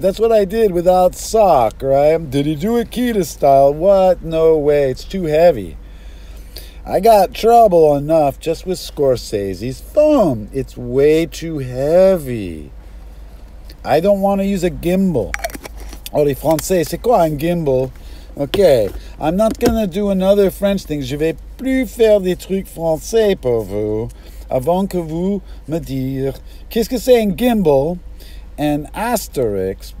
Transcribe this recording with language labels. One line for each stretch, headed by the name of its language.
English: That's what I did without sock, right? Did he do it Kita style? What? No way. It's too heavy. I got trouble enough just with Scorsese's phone. It's way too heavy. I don't want to use a gimbal.
French: Oh, les Français, c'est quoi un gimbal?
English: Okay, I'm not going to do another French thing.
French: Je vais plus faire des trucs français pour vous avant que vous me dire qu'est-ce que c'est un gimbal
English: and asterisk.